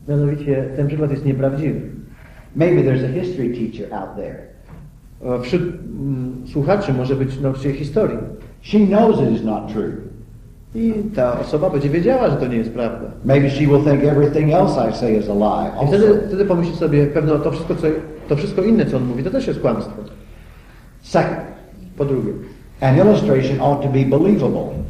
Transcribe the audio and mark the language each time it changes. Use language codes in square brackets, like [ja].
[pl] Mianowicie ten przykład jest nieprawdziwy. [en] Maybe there's a history teacher out there. [pl] Wśród słuchaczy może być nauczyciel historii. [en] She knows it is not true. [pl] I ta osoba będzie wiedziała, że to nie jest prawda. [en] Maybe she will think everything else I say is a lie. [pl] I wtedy pomyśli sobie, pewno to wszystko inne, co on mówi, to też jest kłamstwo. [en] Second. [pl] Po drugie. [en] An illustration ought to be believable.